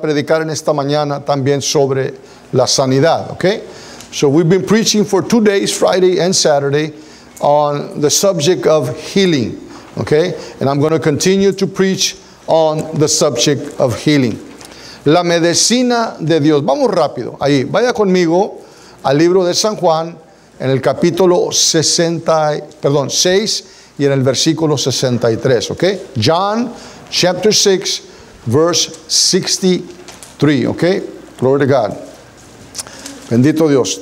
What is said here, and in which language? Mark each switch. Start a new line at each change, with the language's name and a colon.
Spanish: Predicar en esta mañana también sobre la sanidad, ¿ok?
English: So we've been preaching for 2 days, Friday and Saturday, on the subject of healing, ¿ok? And I'm going to continue to preach on the subject of healing.
Spanish: La medicina de Dios. Vamos rápido, ahí. Vaya conmigo al libro de San Juan, en el capítulo 6 y en el versículo 63, ¿ok?
English: John chapter 6. Verse 63, ok. Glory to God.
Spanish: Bendito Dios.